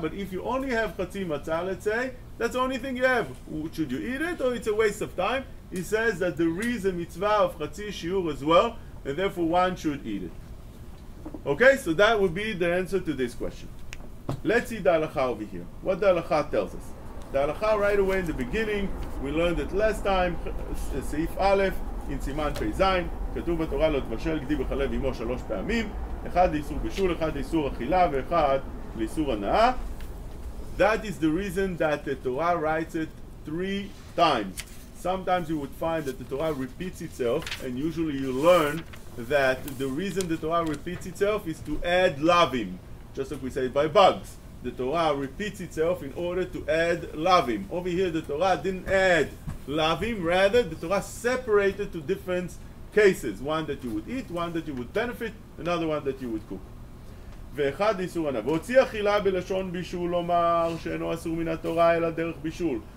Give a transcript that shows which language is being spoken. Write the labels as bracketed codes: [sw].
[en] But if you only have chatzi matzah, let's say, that's the only thing you have. Should you eat it, or it's a waste of time? He says that there is a mitzvah of chatzi shiur as well, and therefore one should eat it. Okay, so that would be the answer to this question. Let's see the halakha over here. What the halakha tells us. The halakha right away in the beginning, we learned it last time, Seif Aleph, in Siman Pei Zayin, [he] כתוב בתורה לא תבשל גדי בחלב אמו שלוש פעמים, אחד לאיסור בישול, אחד לאיסור אכילה, ואחד לאיסור הנאה. [en] That is the reason that the Torah writes it three times. Sometimes you would find that the Torah repeats itself, and usually you learn that the reason the Torah repeats itself is to add lavim, just like we say by bugs. The Torah repeats itself in order to add lavim. Over here, the Torah didn't add lavim, rather, the Torah separated to different cases. One that you would eat, one that you would benefit, another one that you would cook. [he] ואחד איסור הנאה. והוציא אכילה בלשון בישול לומר שאינו אסור מן התורה אלא דרך בישול.